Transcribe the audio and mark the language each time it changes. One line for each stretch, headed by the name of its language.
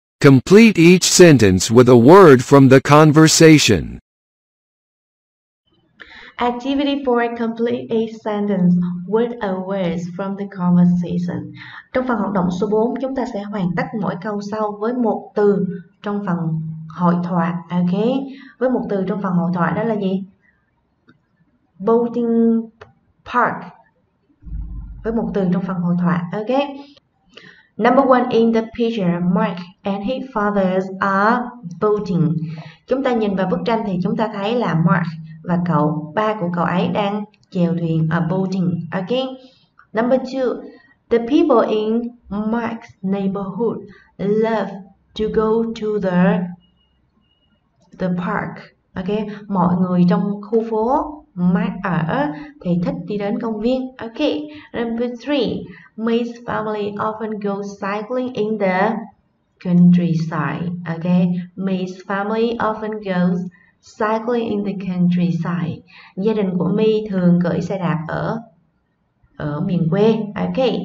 English: Complete each sentence with a word from the conversation. Activity 4. Complete each sentence with a word from the conversation.
Vietnamese: Trong phần hoạt động số 4, chúng ta sẽ hoàn tất mỗi câu sau với một từ trong phần hội thoại, ok, với một từ trong phần hội thoại đó là gì? Boating park, với một từ trong phần hội thoại, ok.
English: Number one in the picture, Mark and his father are boating.
Vietnamese: Chúng ta nhìn vào bức tranh thì chúng ta thấy là Mark và cậu, ba của cậu ấy đang chèo thuyền, are boating, ok.
English: Number two, the people in Mark's neighborhood love to go to the park, ok.
Vietnamese: Mọi người trong khu phố Mark ở thì thích đi đến công viên, ok.
English: Number three, Mark's family often go cycling in the countryside, ok. Mark's family often goes cycling in the countryside.
Vietnamese: Gia đình của My thường cưỡi xe đạp ở miền quê, ok.